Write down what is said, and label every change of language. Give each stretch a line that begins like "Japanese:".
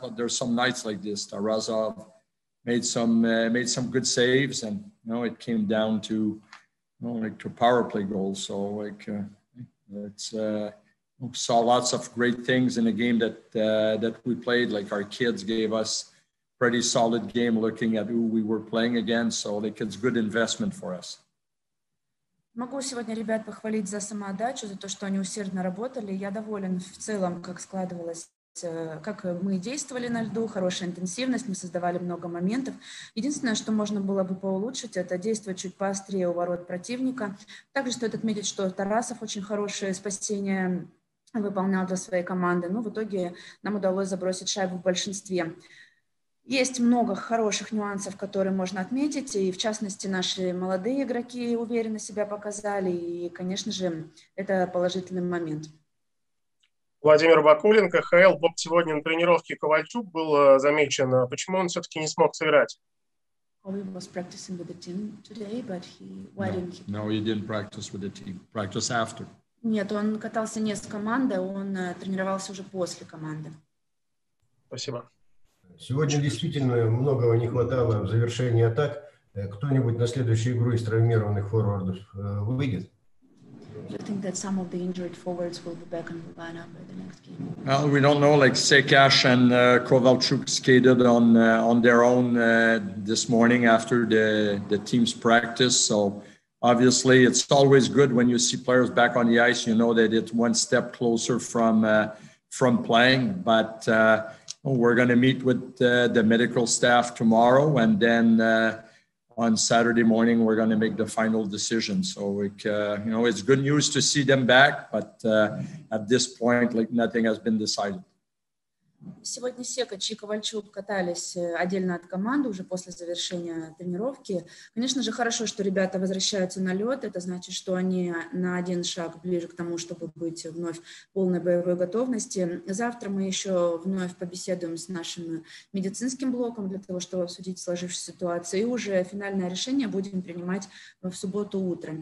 English: But there's some nights like this. Tarasov made some good saves, and it came down to to power play goals. So saw lots of great things in a game that we played. Like our kids gave us pretty solid game looking at who we were playing against. So like it's good investment for us.
Russian: Могу сегодня ребят похвалить за самоотдачу, за то, что они усердно работали. Я доволен в целом, как складывалось. Как мы действовали на льду, хорошая интенсивность, мы создавали много моментов. Единственное, что можно было бы поулучшить, это действовать чуть поострее у ворот противника. Также стоит отметить, что Тарасов очень хорошее спасение выполнял для своей команды. Но в итоге нам удалось забросить шайбу в большинстве. Есть много хороших нюансов, которые можно отметить. И в частности, наши молодые игроки уверенно себя показали. И, конечно же, это положительный момент. Владимир Бакулин, КХЛ. Боб сегодня на тренировке Ковальчук был замечен. Почему он все-таки не смог сыграть?
English: He was practicing with the team today, but why didn't he? No, he didn't practice with the team. Practice after.
Russian: Нет, он катался не с командой, он тренировался уже после команды. Спасибо. Сегодня действительно многого не хватало в завершении атак. Кто-нибудь на следующую игру из травмированных форвардов выйдет?
English: Do you think that some of the injured forwards will be back in the lineup by the next game? Well, we don't know. Like Sekash and Kovalchuk skated on their own this morning after the team's practice. So obviously, it's always good when you see players back on the ice. You know that it's one step closer from playing. But we're going to meet with the medical staff tomorrow, and then on Saturday morning, we're going to make the final decision. So, it's good news to see them back, but at this point, like nothing has been decided.
Russian: Сегодня Секач и Ковальчук катались отдельно от команды уже после завершения тренировки. Конечно же, хорошо, что ребята возвращаются на лед. Это значит, что они на один шаг ближе к тому, чтобы быть вновь полной боевой готовности. Завтра мы еще вновь побеседуем с нашим медицинским блоком для того, чтобы обсудить сложившуюся ситуацию. И уже финальное решение будем принимать в субботу утром.